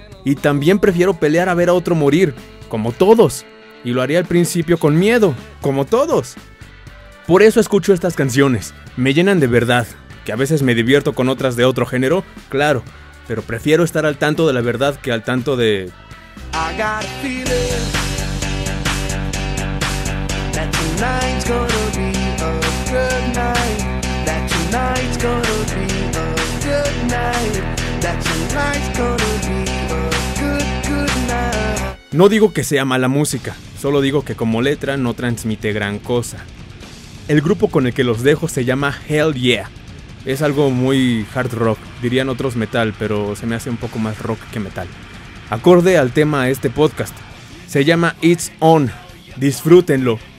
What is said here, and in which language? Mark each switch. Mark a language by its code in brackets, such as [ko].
[es] Y también prefiero pelear a ver a otro morir, como todos. Y lo haría al principio con miedo, como todos. Por eso escucho estas canciones. Me llenan de verdad. Que a veces me divierto con otras de otro género, claro. Pero prefiero estar al tanto de la verdad que al tanto de... [en] I got a feeling that tonight's gonna be a good night. That tonight's gonna be a good night. That tonight's gonna be a good, good night. [es] No digo que sea mala música, solo digo que como letra no transmite gran cosa. El grupo con el que los dejo se llama Hell Yeah. Es algo muy hard rock, dirían otros metal, pero se me hace un poco más rock que metal. Acorde al tema de este podcast, se llama It's On. Disfrútenlo.